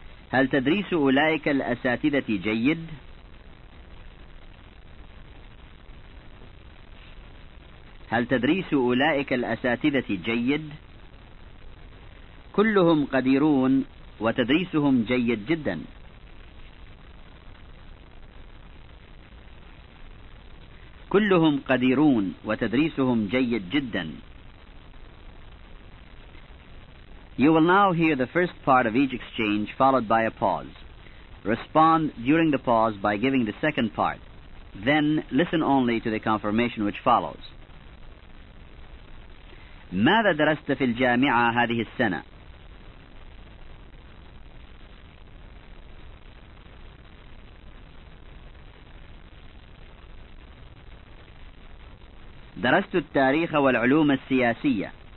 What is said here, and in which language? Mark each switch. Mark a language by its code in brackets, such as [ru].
[ar] هل تدريس أولئك الأساتذة جيد؟ هل تدريس أولئك الأساتذة جيد؟ كلهم قديرون وتدريسهم جيد جدا. كلهم قديرون وتدريسهم جيد جدا. [en] You will now hear the first part of each exchange followed by a pause. Respond during the pause by giving the second part. Then listen only to the confirmation which follows. [ar] ماذا درست في الجامعة هذه السنة؟ درست التاريخ والعلوم السياسية.